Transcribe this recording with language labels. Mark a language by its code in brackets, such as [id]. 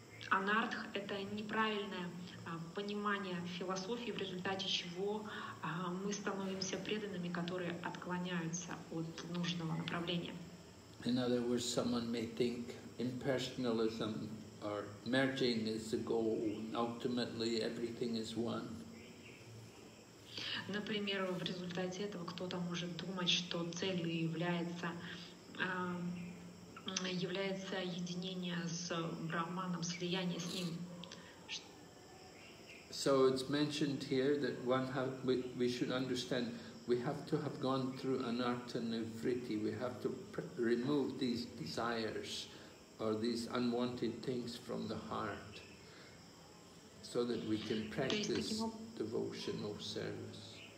[ru] Анартх – это неправильное понимание философии, в результате чего мы становимся преданными, которые отклоняются от нужного направления. [en] In other words, someone may think impersonalism or merging is the goal, and ultimately everything is one. [ru] Например, в результате этого кто-то может думать, что целью является является единение с Брахманом, слияние с ним. [en] So it's mentioned here that we should understand we have to have gone through anartha nivritti. We have to remove these desires or these unwanted things from the heart, so that we can practice devotional service.